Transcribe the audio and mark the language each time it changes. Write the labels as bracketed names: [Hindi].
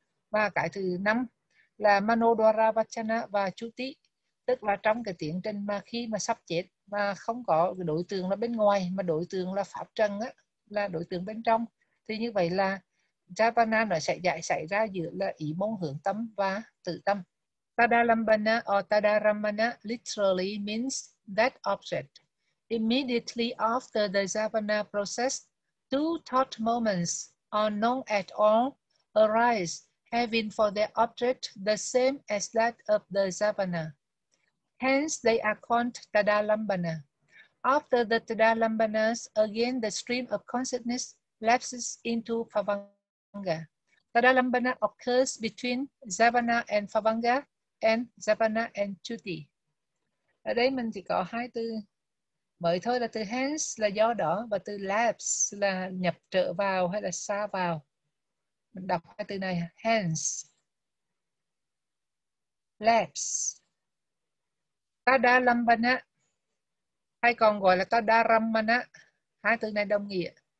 [Vietnamese] Và cái thứ năm là Manodwara Vachana và Chuti, tức là trong cái tiến trình mà khi mà sắp chết mà không có cái đối tượng là bên ngoài, mà đối tượng là pháp trần á, là đối tượng bên trong, thì như vậy là Javana nó sẽ giải xảy ra giữa là ý môn hướng tâm và tự tâm. [English] Tadalambana or Tadaramana literally means that object immediately after the Javana process, two thought moments or none at all arise, having for their object the same as that of the Javana. Hence, they are called Tadalambana. After the Tadalambanas, again the stream of consciousness lapses into Phavanga. Tadalambana occurs between Javana and Phavanga and Javana and Chuti. [Vietnamese] Ở đây mình chỉ có hai từ mới thôi, là từ hence là do đó, và từ lapse là nhập trở vào hay là xa vào. Mình đọc hai từ này, hence, lapse. Tadalambana, hay còn gọi là Tadaramana, hai từ này đồng nghĩa.